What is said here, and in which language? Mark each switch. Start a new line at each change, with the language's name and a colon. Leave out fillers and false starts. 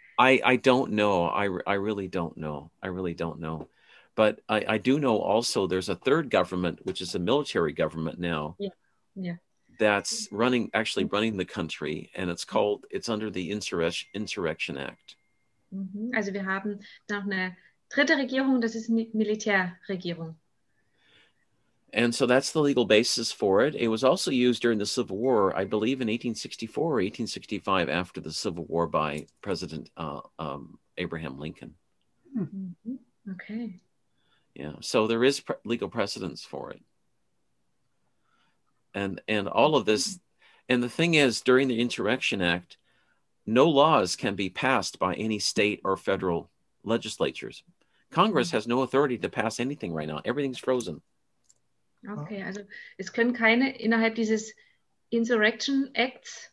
English: I don't know. I really don't know. I really don't know. But I do know also there's a third government, which is a military government now. Yeah. That's running the country, and it's under the Insurrection Act. Mm-hmm.
German: Also wir haben noch eine dritte Regierung, das ist eine Militärregierung.
English: And so that's the legal basis for it. It was also used during the Civil War, I believe in 1864 or 1865 after the Civil War by President Abraham Lincoln. Mm-hmm. Okay. Yeah, so there is legal precedence for it. And all of this, and the thing is, during the Insurrection Act, no laws can be passed by any state or federal legislatures. Congress has no authority to pass anything right now. Everything's frozen.
German: Okay, also es können keine innerhalb dieses Insurrection Acts.